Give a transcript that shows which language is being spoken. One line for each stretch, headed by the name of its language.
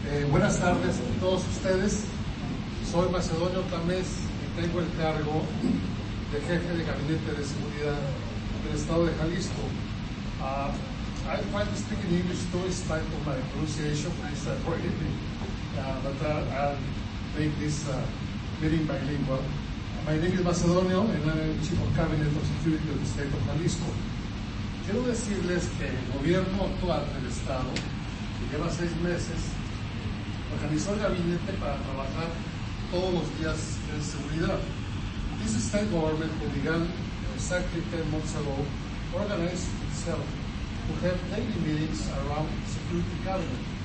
Spanish: Buenas tardes a todos ustedes. Soy Macedonio Tamés y tengo el cargo de jefe de gabinete de seguridad del estado de Jalisco.
English: I find the speaking English too is type of my pronunciation, I start forgetting, but I'll make this meeting bilingual. My name is Macedonio and I'm chief of cabinet of security of the state of Jalisco.
Spanish: Quiero decirles que el gobierno actual del estado, que lleva 6 meses, organizó el gabinete para trabajar todos los días en seguridad.
English: This state government began exactly 10 months ago, organized itself to have daily meetings around security cabinet.